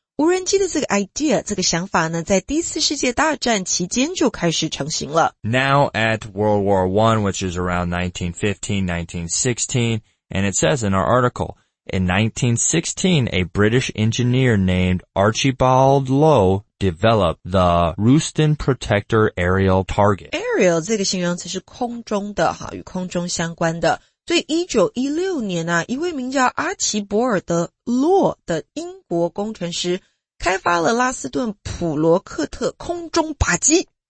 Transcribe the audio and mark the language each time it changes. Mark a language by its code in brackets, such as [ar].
[zh] 无人机的这个 idea, 这个想法呢在第四世界大战期间就开始成型了。 [en] Now at World War I, which is around 1915, 1916, and it says in our article, in 1916, a British engineer named Archibald Lowe developed the Roostan Protector Aerial Target. [zh] Aerial 这个形容词是空中的，与空中相关的。所以1916年啊，一位名叫阿奇博尔德·洛的英国工程师开发了拉斯顿普罗克特空中靶机。